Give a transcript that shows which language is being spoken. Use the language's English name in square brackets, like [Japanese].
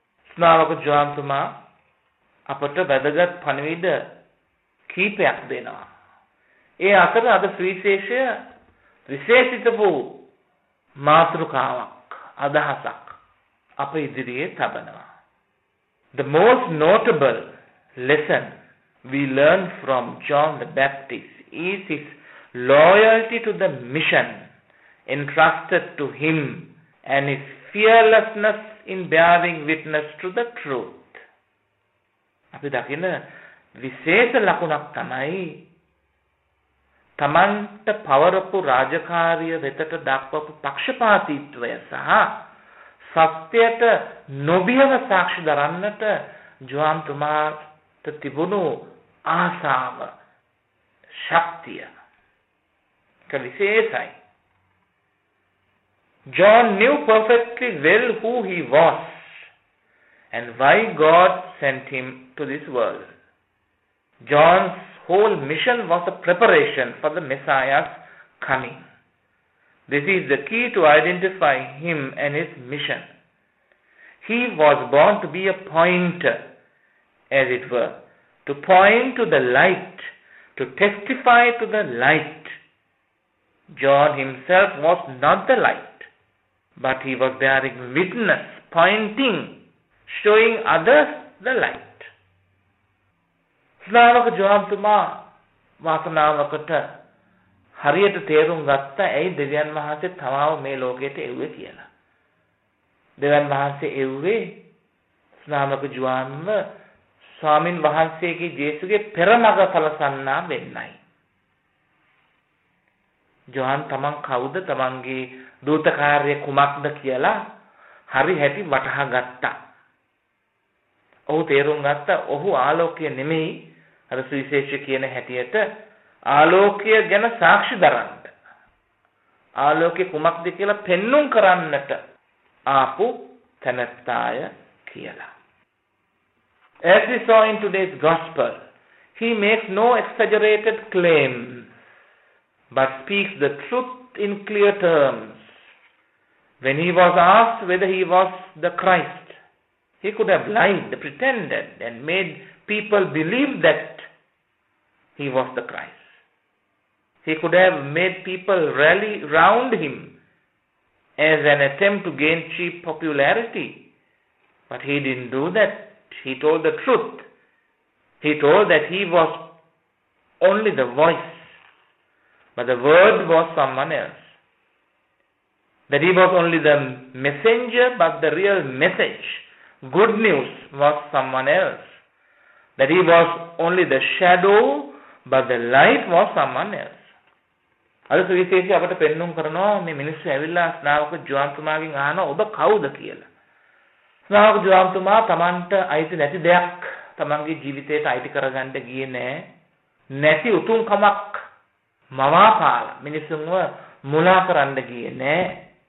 [Sinhala] ස්නාවක ජුවන්තුමා අපට වැදගත් පණිවිඩ කීපයක් දෙනවා. ඒ අතර අද සවිශේෂය විශේෂිත වූ මාතෘකාවක් අදහසක් අප ඉදිරියේ තබනවා. [English] The most notable lesson we learn from John the Baptist is his loyalty to the mission entrusted to him and his fearlessness in bearing witness to the truth. [Sinhala] අපි දකින විශේෂ ලකුණක් තමයි තමන්ට පවරපු රාජකාරිය වෙතට දක්වපු පක්ෂපාතීත්වය සහ සත්‍යයට නොබියව සාක්ෂි දරන්නට ජුවන්තුමාට තිබුණු ආසාව ශක්තිය කලිසේසයි. [English] John knew perfectly well who he was and why God sent him to this world. John's whole mission was a preparation for the Messiah's coming. This is the key to identify him and his mission. He was born to be a pointer, as it were, to point to the light, to testify to the light. John himself was not the light, but he was bearing witness, pointing, showing others the light. [Sinhala] ස්නාවක ජුවන්තුමා වාසනාවකට හරියට තේරුම් ගත්තා ඇයි දෙවියන් වහන්සේ තමාව මේ ලෝකයට එව්වේ කියලා. දෙවියන් වහන්සේ එව්වේ ස්නාවක ජුවන්ව ස්වාමින් වහන්සේගේ ජේසුගේ පෙරමග සලසන්නා වෙන්නයි. ජුවන් තමන් කවුද, තමන්ගේ දූත කාර්ය කුමක්ද කියලා හරි හැටි වටහා ගත්තා. ඔහු තේරුම් ගත්තා ඔහු ආලෝකය නෙමෙයි, අර සුවිශේෂ කියන හැටියට ආලෝකය ගැන සාක්ෂි දරන්න, ආලෝකය කුමක්ද කියලා පෙන්නුම් කරන්නට ආපු තැනැත්තාය කියලා. [English] As we saw in today's gospel, he makes no exaggerated claim, but speaks the truth in clear terms. When he was asked whether he was the Christ, he could have lied, pretended, and made people believe that he was the Christ. He could have made people rally round him as an attempt to gain cheap popularity. But he didn't do that. He told the truth. He told that he was only the voice, but the word was someone else. That he was only the messenger, but the real message, good news, was someone else. That he was only the shadow, but the light was someone else. [Sinhala] අද සවිසේෂය අපට පෙන්නුම් කරනවා මේ මිනිස්සු ඇවිල්ලා ස්නාවක ජුවන්තුමාගෙන් අහනවා ඔබ කවුද කියලා. ස්නාවක ජුවන්තුමා තමන්ට අයිති නැති දෙයක් තමන්ගේ ජීවිතයට අයිති කරගන්න ගියේ නැහැ. නැති උතුම්කමක් මවාපාල මිනිසුන්ව මුලා කරන්න ගියේ නැහැ.